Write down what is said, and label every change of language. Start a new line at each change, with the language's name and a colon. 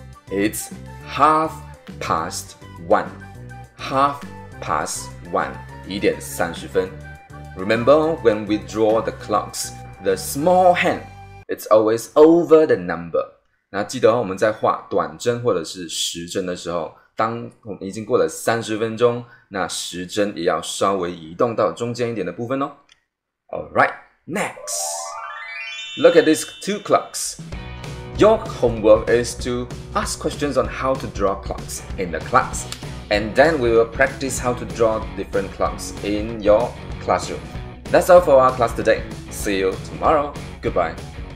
English: It's 1:30. 1:30.
Chinese: 一点三十分。
English: Remember, when we draw the clocks, the small hand, it's always over the number.
Chinese: 那记得、哦、我们在画短针或者是时针的时候，当我们已经过了30分钟，那时针也要稍微移动到中间一点的部分哦。
English: Alright, next. Look at these two clocks. Your homework is to ask questions on how to draw clocks in the class. And then we will practice how to draw different clocks in your classroom. That's all for our class today. See you tomorrow. Goodbye.